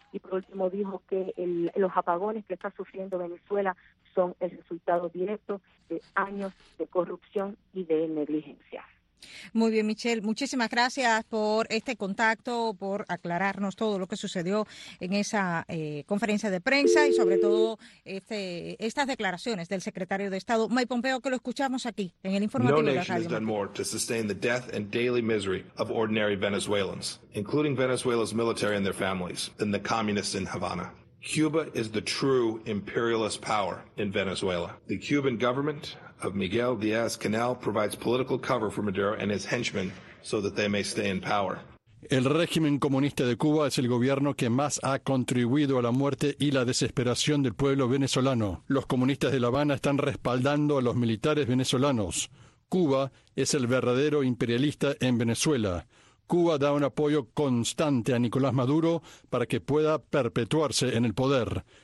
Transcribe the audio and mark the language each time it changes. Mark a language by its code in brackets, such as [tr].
[es] Y por último dijo que los apagones que está sufriendo Venezuela son el resultado directo de años de corrupción y de negligencia. Muy bien, Michelle, muchísimas gracias por este contacto, por aclararnos todo lo que sucedió en esa conferencia de prensa y sobre todo estas declaraciones del secretario de Estado Mike Pompeo, que lo escuchamos aquí en el informativo de la radio. [en] No nation has done more to sustain the death and daily misery of ordinary Venezuelans, including Venezuela's military and their families, than the communists in Havana. Cuba is the true imperialist power in Venezuela. The Cuban government of Miguel Díaz-Canel provides political cover for Maduro and his henchmen so that they may stay in power. [es] El régimen comunista de Cuba es el gobierno que más ha contribuido a la muerte y la desesperación del pueblo venezolano. Los comunistas de La Habana están respaldando a los militares venezolanos. Cuba es el verdadero imperialista en Venezuela. Cuba da un apoyo constante a Nicolás Maduro para que pueda perpetuarse en el poder.